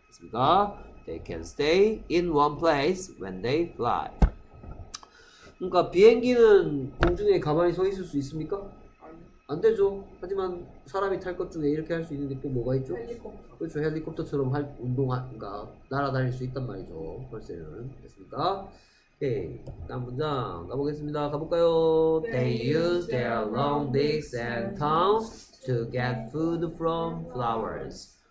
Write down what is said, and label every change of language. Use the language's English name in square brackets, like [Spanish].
[Korean] 그러니까 [English] they can stay in one place when they fly. [Korean] 그러니까 비행기는 공중에 가만히 서 있을 수 있습니까? 안 되죠. 하지만 사람이 탈것 중에 이렇게 할수 있는 게또 뭐가 있죠? 그렇죠. 헬리콥터처럼 운동하니까 날아다닐 수 있단 말이죠. 벌써는 됐습니까? 오케이. 다음 문장 가보겠습니다. 가볼까요? [English] They use their long beaks and tongues to get food from flowers.